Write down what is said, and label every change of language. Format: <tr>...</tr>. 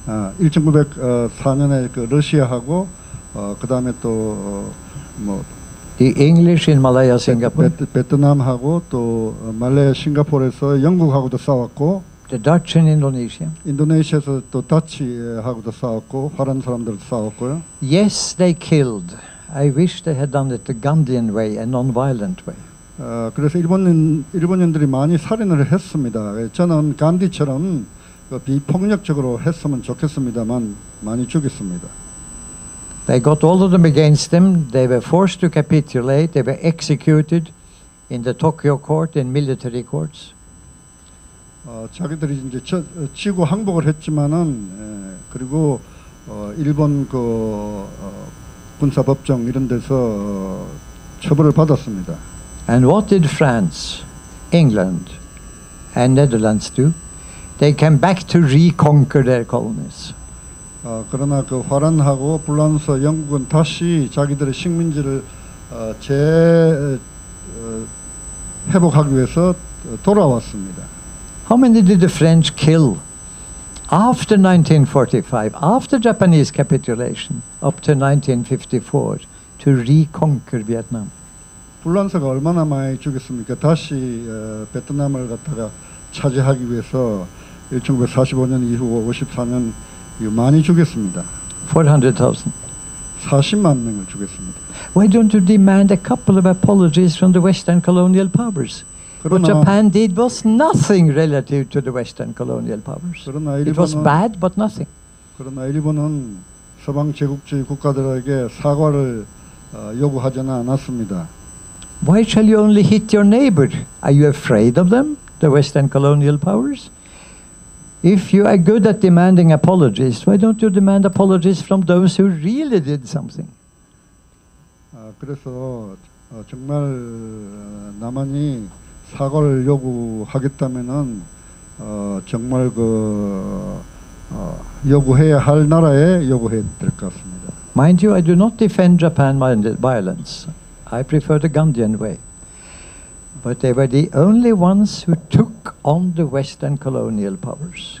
<ko>1904년에 그 러시아하고 그다음에 또 뭐</ko> <en>The English in Malaya, Singapore.</en> <ko>베트남하고 또 말레이시아 싱가포르에서 영국하고도 싸웠고</ko> <en>The Dutch in Indonesia.</en> <ko>인도네시아에서 또 다치하고도 싸웠고 화란 사람들도 싸웠고요.</ko> <en>Yes, they killed. I wish they had done it the Gandhian way, a non-violent way.</en> <ko>그래서 일본인들이 많이 살인을 했습니다. 저는 간디처럼 그 비폭력적으로 했으면 좋겠습니다만 많이 죽였습니다.</ko> <en>They got all of them against them. They were forced to capitulate. They were executed in the Tokyo court in military courts.</en> <ko>자기들이 이제 치고 항복을 했지만은 그리고 일본 그 군사 법정 이런 데서 처벌을 받았습니다.</ko> <en>And what did France, England, and Netherlands do? They came back to reconquer their colonies.</en> <ko>그러나 그 화란하고 불란서 영국은 다시 자기들의 식민지를 재회복하기 위해서 돌아왔습니다.</ko> <en>How many did the French kill after 1945, after Japanese capitulation, up to 1954, to reconquer Vietnam?</en> <ko>불란서가 얼마나 많이 죽였습니까? 다시 베트남을 갖다가 차지하기 위해서 1945년 이후 54년 이후 많이 죽였습니다.</ko> <en>400,000.</en> <ko>40만 명을 죽였습니다.</ko> <en>Why don't you demand a couple of apologies from the Western colonial powers?</en> <ko>그러나,</ko> <en>What Japan did was nothing relative to the Western colonial powers.</en> <ko>그러나 일본은,</ko> <en>It was bad, but nothing.</en> <ko>그러나 일본은 서방 제국주의 국가들에게 사과를 요구하지는 않았습니다.</ko> <en>Why shall you only hit your neighbor? Are you afraid of them, the Western colonial powers? If you are good at demanding apologies, why don't you demand apologies from those who really did something?</en> <ko>그래서 정말 나만이 사과를 요구하겠다면은 정말 그 요구해야 할 나라에 요구해야 될 것 같습니다.</ko> <en>Mind you, I do not defend Japan by violence. I prefer the Gandhian way. But they were the only ones who took on the Western colonial powers.</en>